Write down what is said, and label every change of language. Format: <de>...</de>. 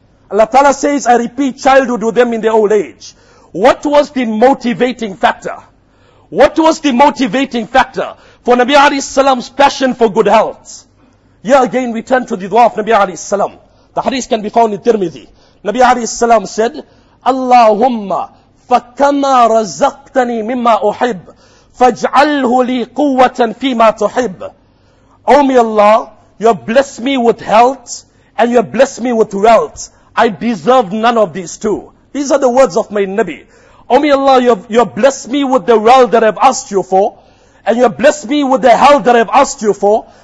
<en>Allah Ta'ala says, I repeat childhood with them in their old age. What was the motivating factor? What was the motivating factor for Nabi Alayhi Salam's passion for good health? Here again, we turn to the dua of Nabi Alayhi Salam. The hadith can be found in Tirmidhi. Nabi Alayhi Salam said,</en> <ar>Allahumma, فَكَمَا رَزَقْتَنِي مِمَّا أُحِبْ فَاجْعَلْهُ لِي قُوَّةً فِي مَا تُحِبْ.</ar> <en>O may Allah, you have blessed me with health and you have blessed me with wealth. I deserve none of these two. These are the words of my Nabi. O may Allah, you have blessed me with the wealth that I have asked you for and you have blessed me with the health that I have asked you for.</en>